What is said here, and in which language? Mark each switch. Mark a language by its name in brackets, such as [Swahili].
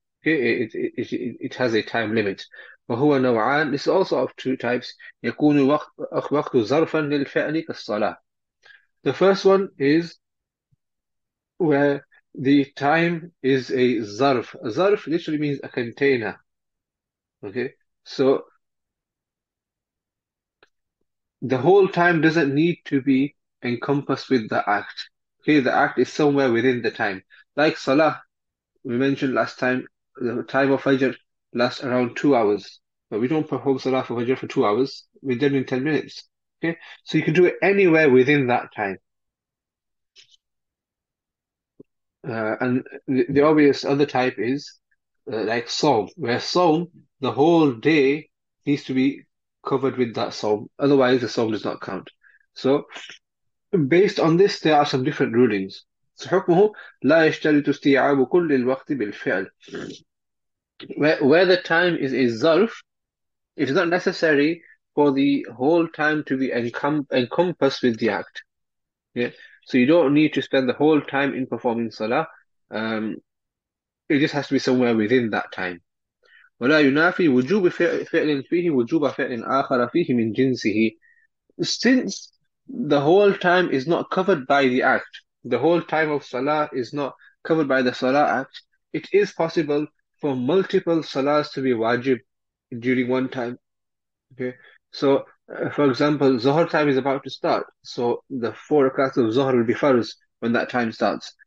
[English] Okay, it has a time limit. [Arabic] وهو نوعان, [English] this is also of two types. [Arabic] يكون وقت ظرفا للفعل كالصلاة. [English] The first one is where the time is a zarf. A zarf literally means a container. Okay, so the whole time doesn't need to be encompassed with the act. Okay, the act is somewhere within the time. Like Salah, we mentioned last time, the time of Fajr lasts around 2 hours. But we don't perform Salah for Fajr for 2 hours. We're done in 10 minutes. Okay, so you can do it anywhere within that time. And the obvious other type is like Sawm, where Sawm, the whole day needs to be covered with that Sawm. Otherwise, the Sawm does not count. So based on this, there are some different rulings. [Arabic] So, حكمه لا يشترط استيعاب كل الوقت بالفعل. [English] Where the time is a zarf, it is not necessary for the whole time to be encompassed with the act. Yeah. So, you don't need to spend the whole time in performing salah. It just has to be somewhere within that time. [Arabic] ولا ينافي وجوب فعل فيه وجوب فعل آخر فيه من جنسه. [English] Since the whole time is not covered by the act, the whole time of Salah is not covered by the Salah act, it is possible for multiple Salahs to be wajib during one time. Okay, so for example, Zuhr time is about to start, so the 4 rakats of Zuhr will be farz when that time starts.